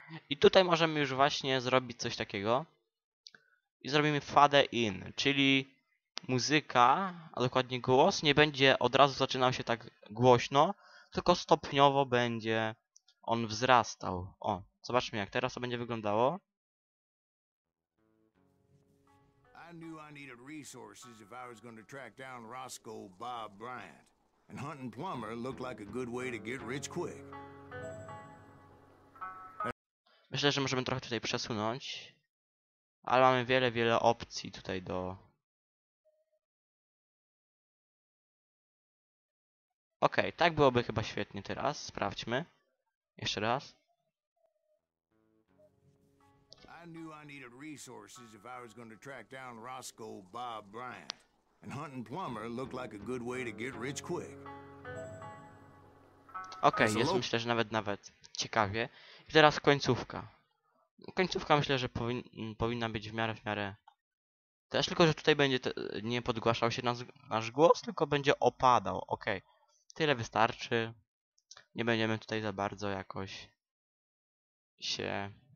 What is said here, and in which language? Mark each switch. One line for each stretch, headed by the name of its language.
Polish: I tutaj możemy już właśnie zrobić coś takiego. I zrobimy fade in, czyli muzyka, a dokładnie głos, nie będzie od razu zaczynał się tak głośno, tylko stopniowo będzie on wzrastał. O, zobaczmy, jak teraz to będzie wyglądało.
English: I knew I needed resources if I was going to track down Roscoe Bob Bryant. And hunting plumber looked like a good way to get rich quick.
Polish: Myślę, że możemy trochę tutaj przesunąć. Ale mamy wiele opcji tutaj do... Okej, tak byłoby chyba świetnie teraz. Sprawdźmy. Jeszcze raz.
English: I knew I needed resources if I was going to track down Roscoe Bob Bryant. And hunting plumber looked like a good way to get rich quick.
Polish: Okej, okay, jest myślę, że nawet ciekawie. I teraz końcówka. Końcówka myślę, że powinna być w miarę. Też tylko, że tutaj będzie nie podgłaszał się nasz głos, tylko będzie opadał. Okej, okay. Tyle wystarczy. Nie będziemy tutaj za bardzo jakoś się...